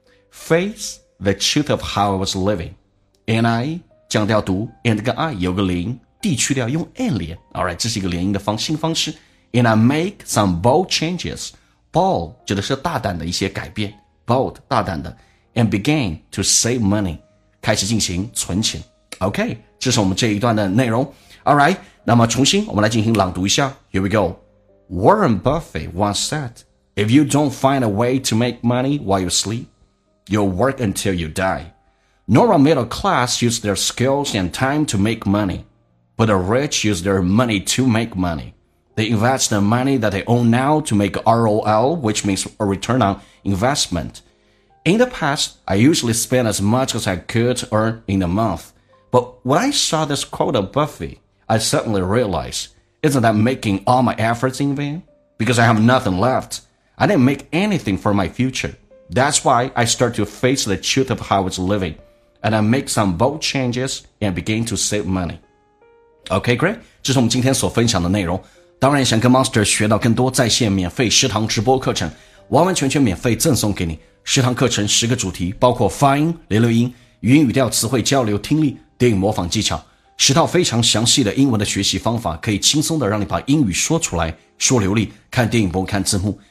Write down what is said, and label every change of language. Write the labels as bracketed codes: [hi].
[en] Face the truth of how I was living， and I [zh] 降调读 [en] and 跟 I [zh] 有个连音， [en] D [zh] 去掉用 [en] and 连， alright， [zh] 这是一个连音的新方式。 [en] And I make some bold changes， bold [zh] 指的是大胆的一些改变， [en] bold [zh] 大胆的。 [en] And began to save money， [zh] 开始进行存钱。 OK， 这是我们这一段的内容。 All right， 那么重新我们来进行朗读一下。 [en] Here we go. Warren Buffett once said, If you don't find a way to make money while you sleep, you'll work until you die. Normal middle class use their skills and time to make money, but the rich use their money to make money. They invest the money that they own now to make ROL, which means a return on investment. In the past, I usually spend as much as I could earn in a month, but when I saw this quote of Buffett,I suddenly realized, isn't that making all my efforts in vain? Because I have nothing left. I didn't make anything for my future. That's why I start to face the truth of how it's living. And I make some bold changes and begin to save money. Okay, great. [zh] 这是我们今天所分享的内容。当然想跟 Monster 学到更多在线免费食堂直播课程，完完全全免费赠送给你。食堂课程十个主题，包括发音、连留音、语音语调、词汇交流、听力、电影模仿技巧。十套非常详细的英文的学习方法，可以轻松的让你把英语说出来，说流利，看电影不用看字幕。